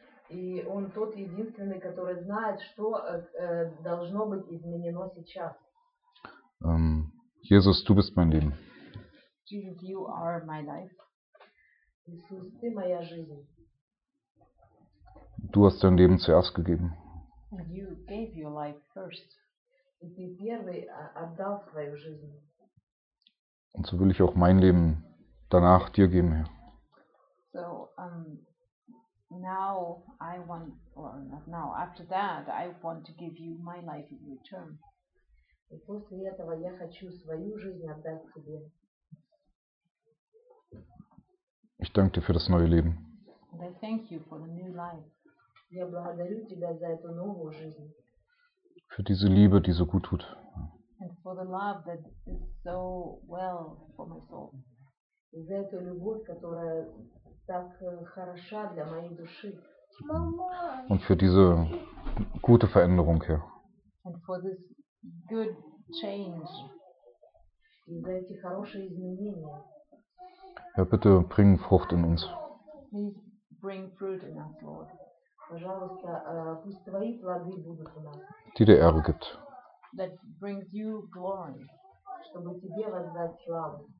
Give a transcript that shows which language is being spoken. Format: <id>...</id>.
<ru>И он тот единственный, который знает, что должно быть изменено сейчас.</ru> <de>Jesus, du bist mein Leben.</de> <en>Jesus, you are my life.</en> <ru>Иисус, ты моя жизнь.</ru> <de>Du hast dein Leben zuerst gegeben.</de> <en>And you gave your life first.</en> <ru>И ты первый отдал свою жизнь.</ru> <de>Und so will ich auch mein Leben danach dir geben, Herr.</de> <en>So, now I want, or not now, after that, I want to give you my life in return.</en> <ru>И после этого я хочу свою жизнь отдать тебе.</ru> <de>Ich danke dir für das neue Leben.</de> <en>And I thank you for the new life.</en> <ru>Я благодарю тебя за эту новую жизнь.</ru> <de>Für diese Liebe, die so gut tut.</de> <en>And for the love that is so well for my soul.</en> <ru>За эту любовь, которая так хороша для моей души.</ru> <de>Und für diese gute Veränderung hier.</de> <en>And for this good change.</en> <ru>И за эти хорошие изменения.</ru> <de>Herr, bitte bring Frucht in uns.</de> <en>Please bring fruit in us, Lord.</en> <ru>Пожалуйста, пусть твои плоды будут у нас.</ru> <de>Die dir Ehre gibt.</de> <en>That brings you glory.</en> <ru>Чтобы тебе воздать славу.</ru>